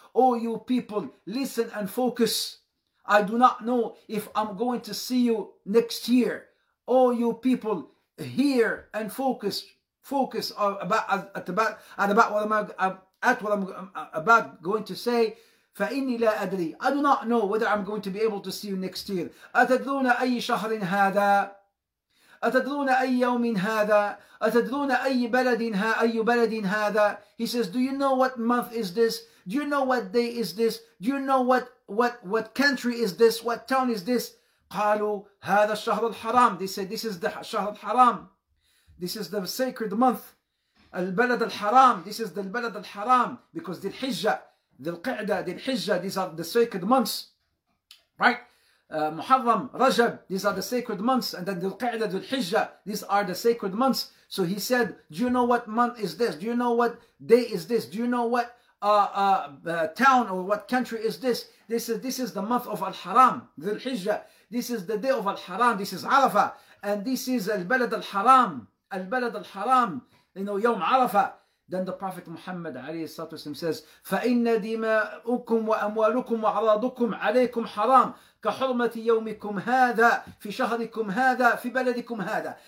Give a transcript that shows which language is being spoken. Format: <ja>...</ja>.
<en>Oh, you people, listen and focus. I do not know if I'm going to see you next year. Oh, you people, hear and focus. Focus about what I'm about going to say.</en> <ar>فإني لا أدري.</ar> <en>I do not know whether I'm going to be able to see you next year.</en> <ar>أتدرون أي شهر هذا؟ أتدرون أي يوم هذا؟ أتدرون أي بلد ها أي بلد هذا؟</ar> <en>He says, do you know what month is this? Do you know what day is this? Do you know what country is this? What town is this?</en> <ar>قالوا هذا الشهر الحرام.</ar> <en>They said, this is the شهر الحرام. This is the sacred month.</en> <ar>البلد الحرام.</ar> <en>This is the</en> <ar>البلد الحرام. Because ذي الحجة, ذي القعدة, ذي الحجة.</ar> <en>These are the sacred months. Right? Muharram, Rajab. These are the sacred months.</en> <ar>And then ذي القعدة, ذي الحجة.</ar> <en>These are the sacred months. So he said, do you know what month is this? Do you know what day is this? Do you know what town or what country is this? This is the month of Al-Haram.</en> <ar>ذي الحجة.</ar> <en>This is the day of Al-Haram. This is Arafah. And this is البلد الحرام.</en> <ar>البلد الحرام.</ar> <en>You know, يوم عرفة. Then the Prophet Muhammad</en> <ar>عليه الصلاة والسلام</ar> <en>says,</en> <ar>فَإِنَّ دِمَاءُكُمْ وَأَمْوَالُكُمْ وَعَرَاضُكُمْ عَلَيْكُمْ حَرَامٌ كَحُرْمَةِ يَوْمِكُمْ هَذَا فِي شَهْرِكُمْ هَذَا فِي بَلَدِكُمْ هَذَا.</ar>